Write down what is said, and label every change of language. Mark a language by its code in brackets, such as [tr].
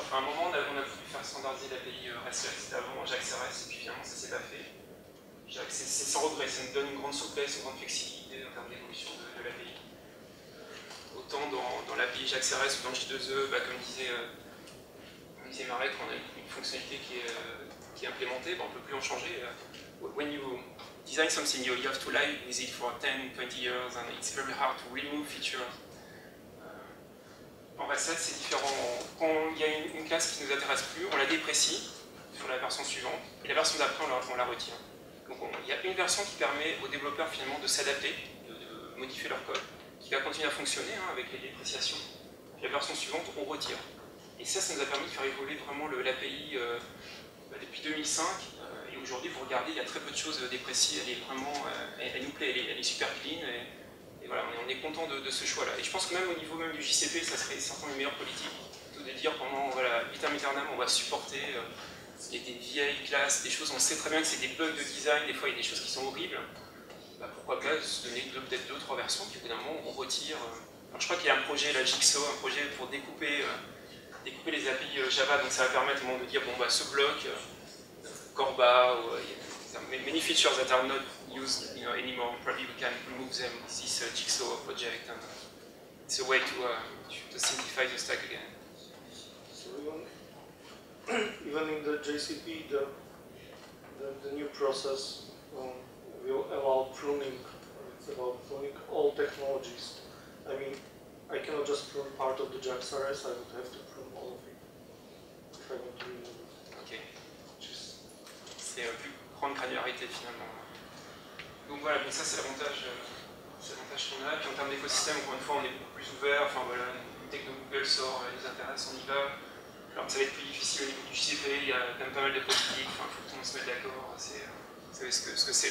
[fr] Enfin, à un moment, on a voulu faire standardiser l'API RESTlet, c'était avant Jacques Sarras, et puis finalement, ça ne s'est pas fait. C'est sans regret, ça nous donne une grande souplesse, une grande flexibilité en termes d'évolution de l'API. Autant dans l'API Jacques Sarras ou dans J2E, bah, comme disait Marek, on a une fonctionnalité qui est implémentée, bah, on ne peut plus en changer. [en] When you design something new, you have to live with it for 10, 20 years, and it's very hard to remove features. [fr] En RESTlet, c'est différent. Quand il y a une classe qui ne nous intéresse plus, on la déprécie sur la version suivante, et la version d'après, on la retient. Donc il y a une version qui permet aux développeurs finalement de s'adapter, de modifier leur code, qui va continuer à fonctionner hein, avec les dépréciations. Puis la version suivante, on retire. Et ça nous a permis de faire évoluer vraiment l'API depuis 2005. Aujourd'hui, vous regardez, il y a très peu de choses dépréciées. Elle est vraiment, elle nous plaît, elle est super clean. Et voilà, on est content de ce choix-là. Et je pense que même au niveau même du JCP, ça serait certainement une meilleure politique plutôt de dire pendant voilà, vitam aeternam, on va supporter des vieilles classes, des choses. On sait très bien que c'est des bugs de design. Des fois, il y a des choses qui sont horribles. Bah, pourquoi pas se donner peut-être 2-3 versions, puis au bout d'un moment, on retire. Alors, je crois qu'il y a un projet, la Jigsaw, un projet pour découper les API Java. Donc, ça va permettre au moins de dire bon, bah, ce bloc. [en] Corba, ou many features that are not used you know, anymore, probably we can remove them, this Jigsaw project, and it's a way to simplify the stack again. So even in the JCP, the new process will allow pruning, it's about pruning all technologies. I mean, I cannot just prune part of the JavaScript, I would have to prune all of it, if I want to remove it. [fr] C'est plus grande granularité finalement. Donc voilà, mais ça c'est l'avantage qu'on a. Puis en termes d'écosystème, encore une fois, on est beaucoup plus ouvert. Enfin voilà, une techno Google sort, elle nous intéresse, on y va. Alors ça va être plus difficile au niveau du CV, il y a quand même pas mal de politiques, enfin, il faut que tout le monde se mette d'accord. savez ce que c'est.